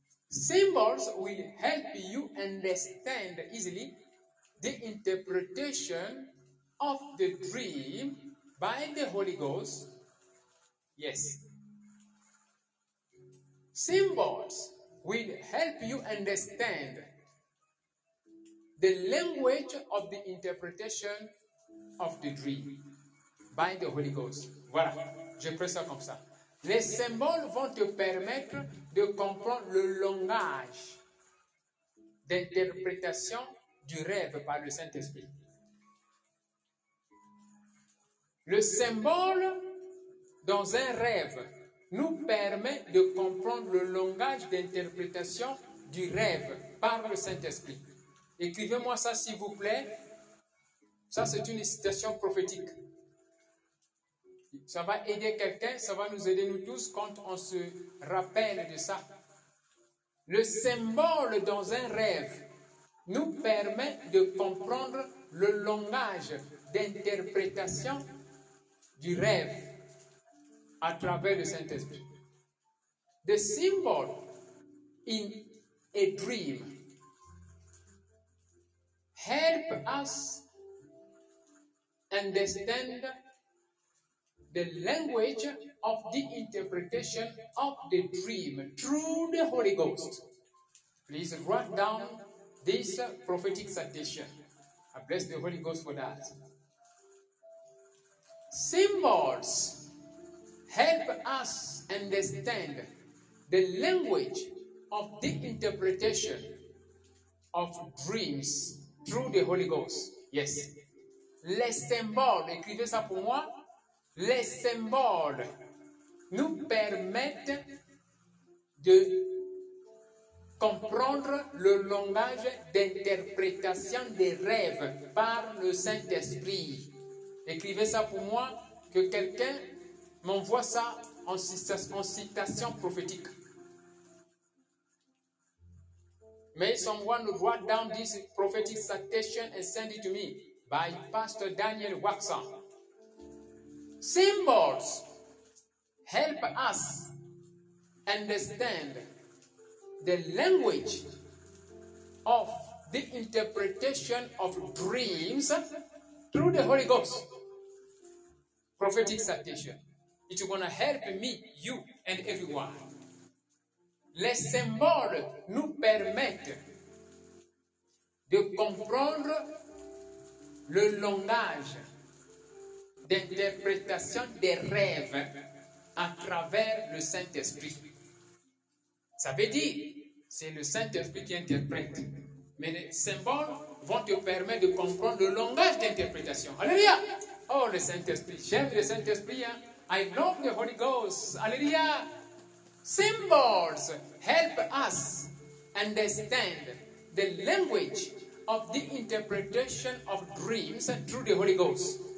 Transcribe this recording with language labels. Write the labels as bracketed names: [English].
[English] Symbols will help you understand easily the interpretation of the dream by the Holy Ghost. Yes. Symbols will help you understand the language of the interpretation of the dream by the Holy Ghost. [French] Voilà, je prends ça comme ça. Les symboles vont te permettre de comprendre le langage d'interprétation du rêve par le Saint-Esprit. Le symbole dans un rêve nous permet de comprendre le langage d'interprétation du rêve par le Saint-Esprit. Écrivez-moi ça, s'il vous plaît. Ça, c'est une citation prophétique. Ça va aider quelqu'un, ça va nous aider nous tous quand on se rappelle de ça. Le symbole dans un rêve nous permet de comprendre le langage d'interprétation du rêve à travers le Saint-Esprit. [English] The symbol in a dream help us understand the language of the interpretation of the dream through the Holy Ghost. Please write down this prophetic citation. I bless the Holy Ghost for that. Symbols help us understand the language of the interpretation of dreams through the Holy Ghost. [French] Yes. Les symboles, écrivez ça pour moi. Les symboles nous permettent de comprendre le langage d'interprétation des rêves par le Saint-Esprit. Écrivez ça pour moi, que quelqu'un m'envoie ça en citation prophétique. [English] May someone write down this prophetic citation and send it to me by Pastor Daniel Waxon. Symbols help us understand the language of the interpretation of dreams through the Holy Ghost. Prophetic citation. It's going to help me, you, and everyone. [French] Les symboles nous permettent de comprendre le langage d'interprétation des rêves à travers le Saint-Esprit. Ça veut dire, c'est le Saint-Esprit qui interprète. Mais les symboles vont te permettre de comprendre le langage d'interprétation. Alléluia! Oh, le Saint-Esprit, j'aime le Saint-Esprit. [English] Hein? I love the Holy Ghost. Alléluia! Symbols help us understand the language of the interpretation of dreams through the Holy Ghost.